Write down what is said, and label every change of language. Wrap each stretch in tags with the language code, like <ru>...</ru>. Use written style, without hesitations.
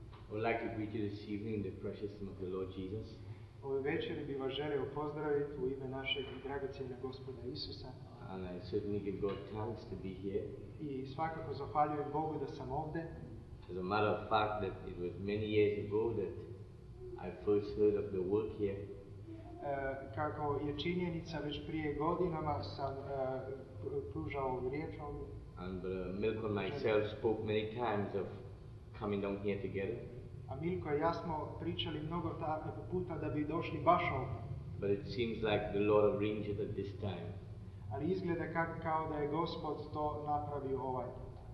<en>would like to greet you this evening in the precious name of the Lord Jesus.</en> <sr>Ove večeri bi vas želeo pozdraviti u ime našeg dragocjenog Gospoda Isusa.</sr> <en>And I certainly give God thanks to be here.</en> <sr>I svakako zahvaljujem Bogu da sam ovde.</sr> <en>As a matter of fact, that it was many years ago that I first heard of the work here.</en> <sr>Kako je činjenica, već prije godinama sam pružao riječ ovdje.</sr> <en>And Milko and myself spoke many times of coming down here together.</en> <sr>A Milko i ja smo pričali mnogo puta da bi došli baš ovdje.</sr> <en>But it seems like the Lord arranged it at this time.</en> <sr>Ali izgleda kao da je Gospod to napravio ovaj put.</sr>